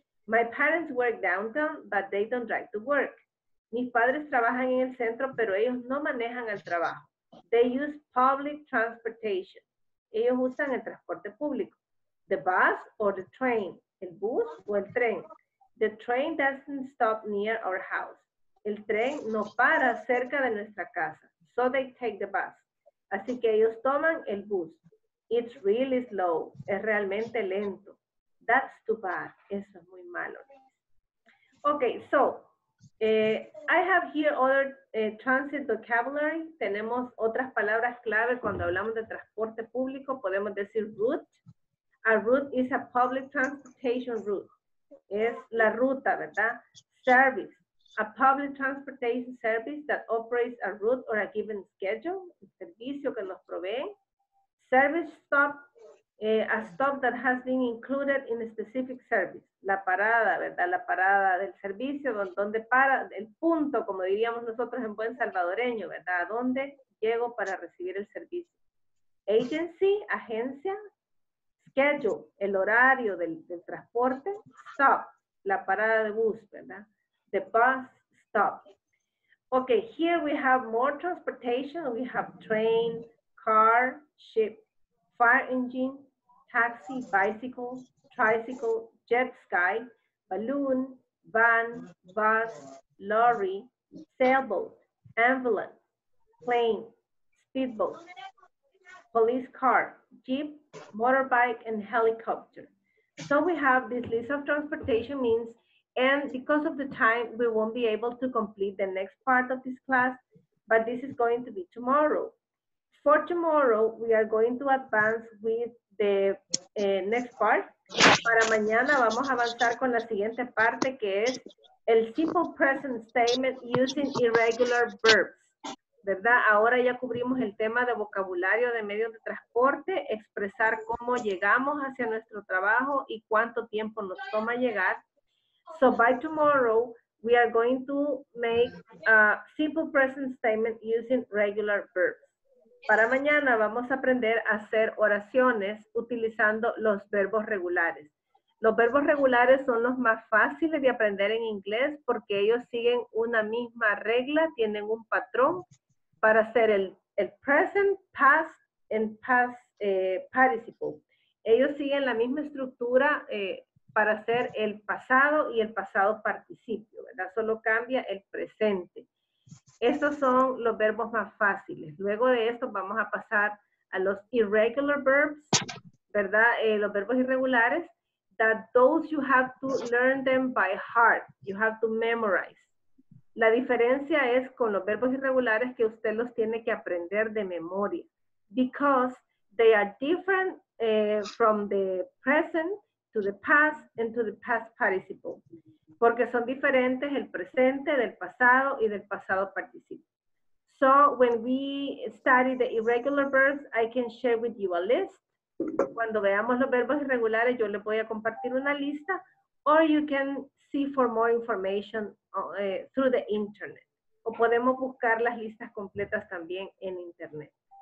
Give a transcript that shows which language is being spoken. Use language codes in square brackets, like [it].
[en] My parents work downtown, but they don't drive to work. [es] Mis padres trabajan en el centro, pero ellos no manejan al trabajo. [en] They use public transportation. [es] Ellos usan el transporte público. [en] The bus or the train. [es] El bus o el tren. [en] The train doesn't stop near our house. [es] El tren no para cerca de nuestra casa. [en] So they take the bus. [es] Así que ellos toman el bus. [en] It's really slow. [es] Es realmente lento. [en] That's too bad. [es] Eso es muy malo. [en] Okay, so I have here other transit vocabulary. [es] Tenemos otras palabras clave cuando hablamos de transporte público. Podemos decir [en] route. A route is a public transportation route. [es] Es la ruta, ¿verdad? [en] Service. A public transportation service that operates a route or a given schedule. [es] El servicio que nos provee. Service stop. [en] A stop that has been included in a specific service. [es] La parada, ¿verdad? La parada del servicio. ¿Dónde para? El punto, como diríamos nosotros en buen salvadoreño, ¿verdad? ¿A dónde llego para recibir el servicio? Agency, agencia. Schedule, el horario del transporte, stop, la parada de bus, ¿verdad? [en] The bus stop. Okay, here we have more transportation. We have train, car, ship, fire engine, taxi, bicycle, tricycle, jet ski, balloon, van, bus, lorry, sailboat, ambulance, plane, speedboat, police car, jeep, motorbike, and helicopter. So we have this list of transportation means, and because of the time, we won't be able to complete the next part of this class, but this is going to be tomorrow. For tomorrow, we are going to advance with the next part. [es] Para mañana vamos a avanzar con la siguiente parte, que es el [en] simple present statement using irregular verbs. [es] ¿Verdad? Ahora ya cubrimos el tema de vocabulario de medios de transporte, expresar cómo llegamos hacia nuestro trabajo y cuánto tiempo nos toma llegar. [en] So by tomorrow, we are going to make a simple present statement using regular verbs. [es] Para mañana vamos a aprender a hacer oraciones utilizando los verbos regulares. Los verbos regulares son los más fáciles de aprender en inglés porque ellos siguen una misma regla, tienen un patrón para hacer el [en] present, past, and past participle. [es] Ellos siguen la misma estructura para hacer el pasado y el pasado participio, ¿verdad? Solo cambia el presente. Estos son los verbos más fáciles. Luego de esto vamos a pasar a los irregular verbs, ¿verdad? Los verbos irregulares. [en] That those you have to learn them by heart. You have to memorize. [es] La diferencia es con los verbos irregulares que usted los tiene que aprender de memoria. [en] Because they are different from the present to the past and to the past participle. [es] Porque son diferentes el presente del pasado y del pasado participio. [en] So when we study the irregular verbs, I can share with you a list. [es] Cuando veamos los verbos irregulares, yo les voy a compartir una lista. [en] Or you can see for more information through the internet. [es] O podemos buscar las listas completas también en internet.